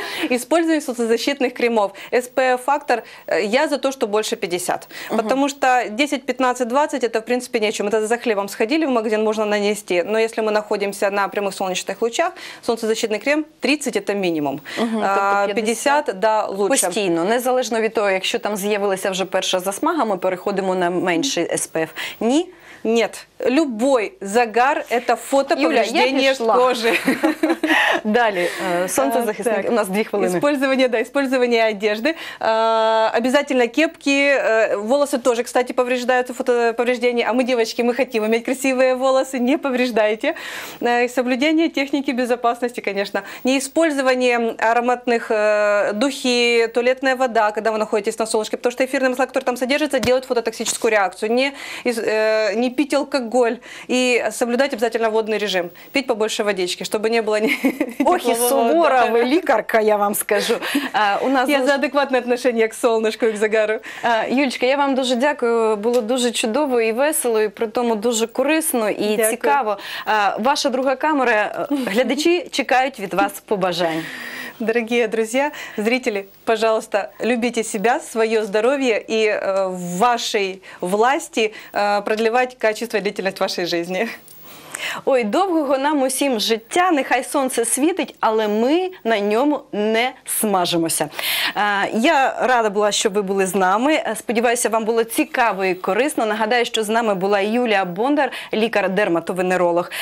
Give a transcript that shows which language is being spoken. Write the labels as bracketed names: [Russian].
[Russian] Использование солнцезащитных кремов. SPF фактор, я за то, что больше 50. Потому что 10, 15, 20, это в принципе не о чем. Это за хлебом сходили в магазин, можно нанести. Но если мы находимся на прямых солнечных лучах, солнцезащитний крем 30 – это минимум. [Ukrainian] Тобто [Russian] 50 – да, лучше. [Ukrainian] Постійно, незалежно від того, якщо там з'явилася вже перша засмага, ми переходимо на менший SPF. Ні? [Russian] Нет. Любой загар – это фотоповреждение кожи. [Ukrainian] Далі. Солнцезахисник. У нас 2 хвилини. [Russian] Использование, да, использование одежды. Обязательно кепки. Волосы тоже, кстати, повреждаются, фотоповреждения. А мы, девочки, мы хотим иметь красивые волосы. Не повреждайте. И соблюдение техники безопасности, конечно. Неиспользование ароматных духи, туалетная вода, когда вы находитесь на солнышке. Потому что эфирные масла, которые там содержатся, делают фототоксическую реакцию. Не пить алкоголь и соблюдать обязательно водный режим. Пить побольше водички, чтобы не было... Ох, и сувора, вы лекарка, я вам скажу. Я за адекватное отношение к солнышку и к загару. [Ukrainian] Юлечка, я вам дуже дякую. Було дуже чудово і весело, і при тому дуже корисно і цікаво. Ваша друга камера, глядачі чекають від вас побажань. [Russian] Дорогие друзья, зрители, пожалуйста, любите себя, свое здоровье и в вашей власти продлевать качество и длительность вашей жизни. [Ukrainian] Ой, довгого нам усім життя, нехай сонце світить, але ми на ньому не смажимося. Я рада була, що ви були з нами. Сподіваюся, вам було цікаво і корисно. Нагадаю, що з нами була Юлія Бондар, лікар-дерматовенеролог.